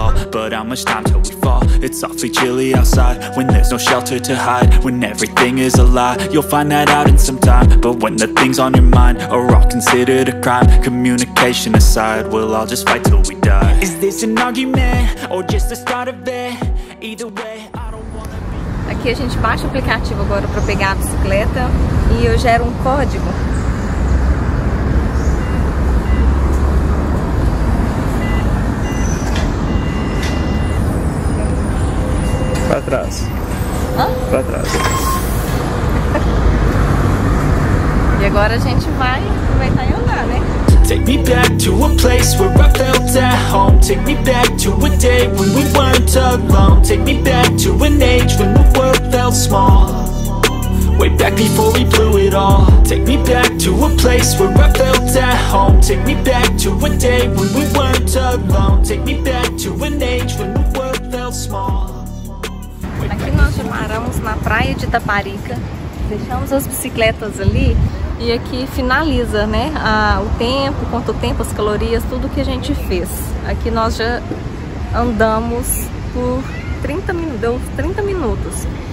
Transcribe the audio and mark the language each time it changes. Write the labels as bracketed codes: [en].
[en] but how much time till we fall? It's awfully chilly outside when there's no shelter to hide. When everything is a lie, you'll find that out in some time. But when the things on your mind are all considered a crime, communication aside, we'll all just fight till we die. Is this an argument or just the start of it? Either way, I don't wanna be. [pt] Aqui a gente baixa o aplicativo agora pra pegar a bicicleta e eu gero um código. Pra trás. Hã? Pra trás. E agora a gente vai sair andar, né? [en] Take me back to a place where I felt at home. Take me back to a day when we weren't alone. Take me back to an age when the world felt small. Way back before we blew it all. Take me back to a place where I felt at home. Take me back to a day when we weren't alone. Take me back to an age when the world felt small. [pt] Aqui nós paramos na praia de Itaparica, deixamos as bicicletas ali e aqui finaliza, né, o tempo, quanto tempo, as calorias, tudo que a gente fez. Aqui nós já andamos por 30 minutos, deu 30 minutos.